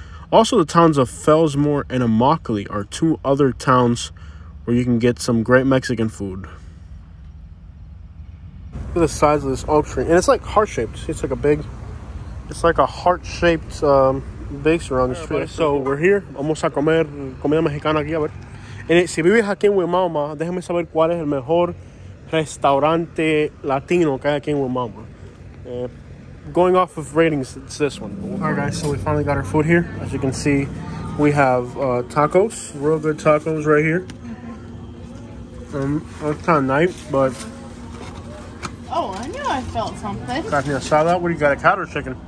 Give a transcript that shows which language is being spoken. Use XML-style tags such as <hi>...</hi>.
<en>Also, the towns of Fellsmore and Immokalee are two other towns where you can get some great Mexican food. Look at the size of this oak tree, and it's like heart-shaped. It's like a big, it's like a heart-shaped base around this tree. So we're here.</en> <es>Vamos a comer comida mexicana aquí, a ver. And si vives aquí en Wimauma, déjame saber cuál es el mejor restaurante latino que hay aquí en Wimauma.</es> <en>Going off of ratings, it's this one. All right, guys, so we finally got our food here. As you can see, we have tacos, real good tacos right here. It's kind of night, but... Oh, I knew I felt something. Got me a salad. What do you got? A cat or a chicken?</en>